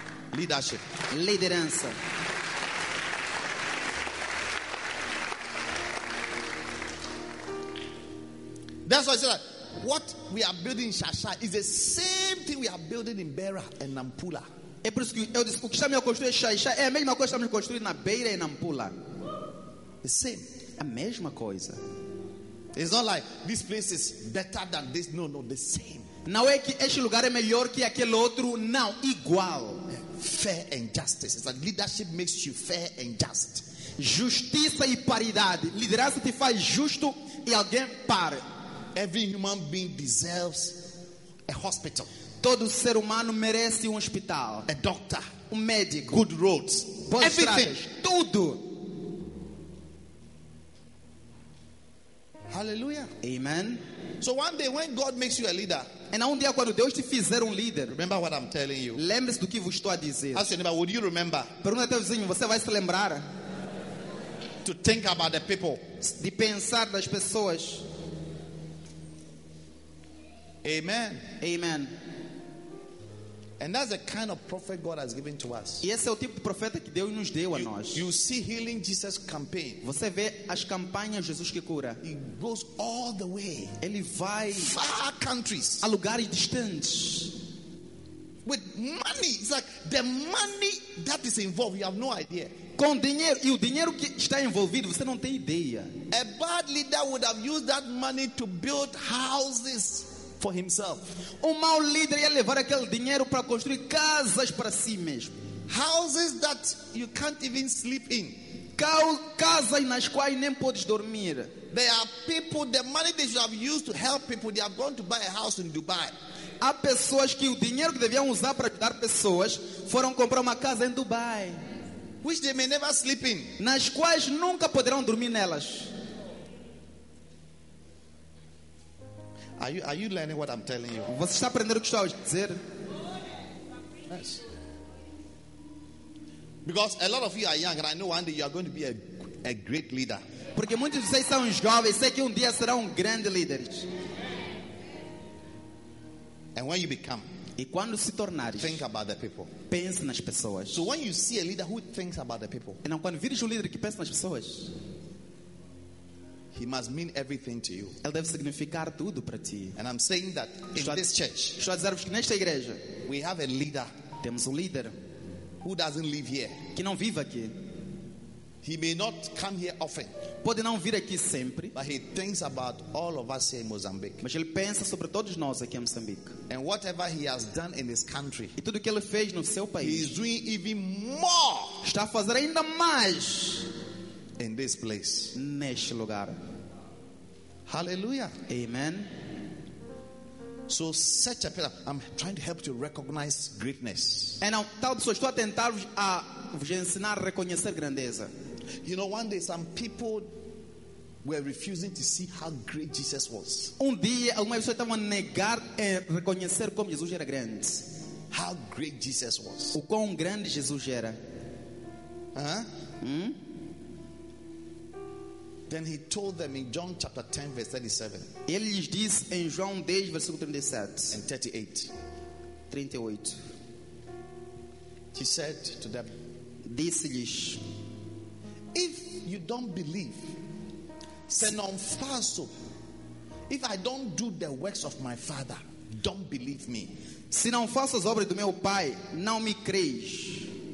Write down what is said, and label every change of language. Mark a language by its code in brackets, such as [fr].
[en] Leadership. [pt] Liderança. [en] That's why I said that what we are building in Shasha is the same thing we are building in Beira and Nampula. [pt] É por isso que eu disse, o que estamos a construir em Shasha é a mesma coisa que estamos a construir na Beira e Nampula. [en] The same. [pt] A mesma coisa. [en] It's not like this place is better than this. No, no, the same. [pt] Não é que este lugar é melhor que aquele outro. Não, igual. [en] Fair and justice. It's like leadership makes you fair and just. [pt] Justiça e paridade. Liderança te faz justo e alguém para. [en] Every human being deserves a hospital. [pt] Todo ser humano merece hospital. [en] A doctor. [pt] Médico. [en] Good roads. [pt] Boas [en] everything. [pt] Tudo. [en] Hallelujah. [pt] Amen. [en] So one day when God makes you a leader, [pt] and um dia quando Deus te fizer líder, [en] remember what I'm telling you. [pt] Lembre-se do que vos estou a dizer. [en] Ask your neighbor, would you remember? [pt] Pergunta ao teu vizinho, você vai se lembrar? [en] To think about the people. [pt] De pensar das pessoas. [en] Amen. [pt] Amen. [en] And that's the kind of prophet God has given to us. [pt] E esse é o tipo de profeta que Deus nos deu a nós. [en] You see healing Jesus campaign. [pt] Você vê as campanhas Jesus que cura. [en] He goes all the way. [pt] Ele vai [en] far countries. [pt] A lugares distantes. [en] With money, it's like the money that is involved, you have no idea. [pt] Com dinheiro e o dinheiro que está envolvido, você não tem ideia. [en] A bad leader would have used that money to build houses. For himself. [pt] Um mau líder ia levar aquele dinheiro para construir casas para si mesmo. [en] Houses that you can't even sleep in. [pt] Casas nas quais nem podes dormir. [en] There are people, the money they should have used to help people, they have gone to buy a house in Dubai. [pt] Há pessoas que o dinheiro que deviam usar para ajudar pessoas foram comprar uma casa em Dubai. [en] Which they may never sleep in. [pt] Nas quais nunca poderão dormir nelas. [en] Are you learning what I'm telling you? [pt] Você está aprendendo o que estou a dizer? [en] Yes. Because a lot of you are young, and I know one day you are going to be a great leader. [pt] Porque muitos de vocês são jovens, sei que dia serão grandes líderes. [en] And when you become, [pt] e quando se tornares, [en] think about the people. [pt] Pense nas pessoas. [en] So when you see a leader who thinks about the people, [pt] então quando vires líder que pensa nas pessoas. [en] He must mean everything to you. [pt] Ele deve significar tudo para ti. [en] And I'm saying that in this church. [pt] Estou a dizer-vos que nesta igreja, [en] we have a leader. [pt] Temos líder. [en] Who doesn't live here? [pt] Que não vive aqui. [en] He may not come here often. [pt] Pode não vir aqui sempre. [en] But he thinks about all of us here in Mozambique. [pt] Mas ele pensa sobre todos nós aqui em Moçambique. [en] And whatever he has done in his country. [pt] E tudo que ele fez no seu país. [en] He is doing even more. [pt] Está a fazer ainda mais. [en] In this place. [pt] Neste lugar. [en] Hallelujah. [pt] Amen. [en] So such a person. I'm trying to help you recognize greatness. And now, [pt] tal pessoa, estou a tentar a vos ensinar a reconhecer grandeza. [en] You know, one day some people were refusing to see how great Jesus was. [pt] Dia, algumas pessoas estavam a negar e reconhecer como Jesus era grande. [en] How great Jesus was. [pt] O quão grande Jesus era. [en] Then he told them in John chapter 10 verse 37. [pt] Ele lhes disse em João 10 versículo 37. [en] And 38. [pt] 38. [en] He said to them, [pt] disse-lhes, [en] if you don't believe, [pt] senão faço. [en] If I don't do the works of my Father, don't believe me. [pt] Se não faço as obras do meu Pai, não me creis.